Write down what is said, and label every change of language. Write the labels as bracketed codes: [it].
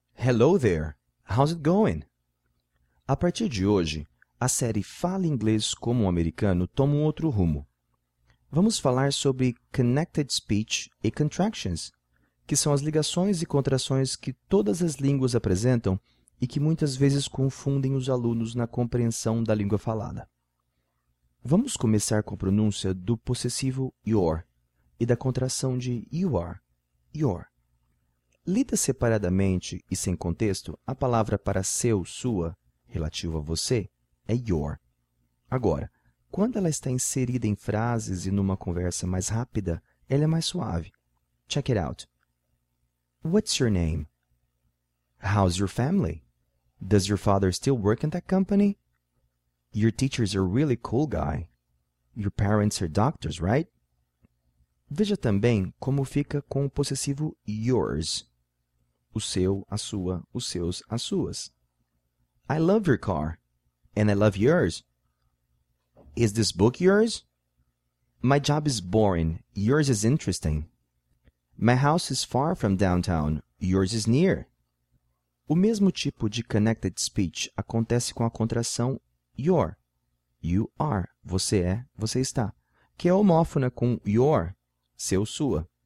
[en] Hello there, how's it going? [pt] A partir de hoje, a série Fale Inglês como um Americano toma um outro rumo. Vamos falar sobre Connected Speech e Contractions, que são as ligações e contrações que todas as línguas apresentam e que muitas vezes confundem os alunos na compreensão da língua falada. Vamos começar com a pronúncia do possessivo your e da contração de you are, your. Lida separadamente e sem contexto, a palavra para seu, sua, relativo a você, é your. Agora, quando ela está inserida em frases e numa conversa mais rápida, ela é mais suave. [en] Check it out. What's your name? How's your family? Does your father still work in that company? Your teacher's a really cool guy. Your parents are doctors, right? [pt] Veja também como fica com o possessivo yours. O seu, a sua, os seus, as suas. [en] I love your car. And I love yours. Is this book yours? My job is boring. Yours is interesting. My house is far from downtown. Yours is near. [pt] O mesmo tipo de connected speech acontece com a contração your. You are. Você é, você está. Que é homófona com your, seu, sua.